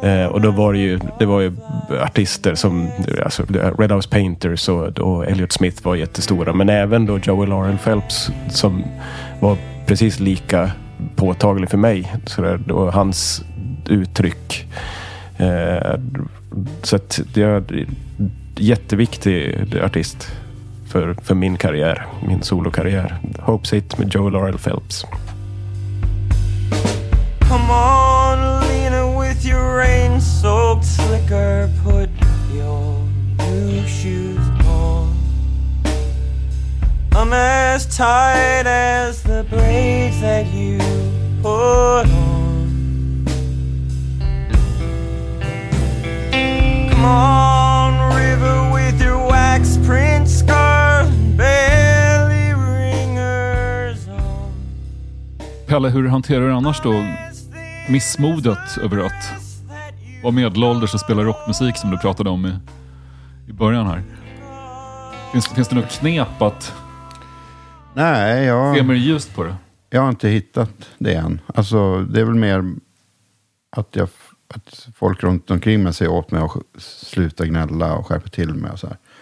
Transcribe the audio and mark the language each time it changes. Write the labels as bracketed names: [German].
[Swedish] Och då var det var ju artister som, alltså, Red House Painters och Elliot Smith var jättestora, men även då Joey Lauren Phelps, som var precis lika påtaglig för mig så där, och hans uttryck. Så att det är jätteviktig artist för min karriär, min solokarriär. Hope's It med Joey Lauren Phelps. [English] Come on, Lena, with your rain-soaked slicker, put your new shoes on. I'm as tight as the braids that you put on. Come on, river, with your wax print scar, belly ringers on. [Swedish] Pelle, hur hanterar du annars då missmodet över att vara medelålders och spela rockmusik, som du pratade om i början här? Finns det något knep att se mer ljust på det? Jag har inte hittat det än. Alltså, det är väl mer att jag, att folk runt omkring mig säger åt mig att sluta gnälla och skärpa till mig och så här.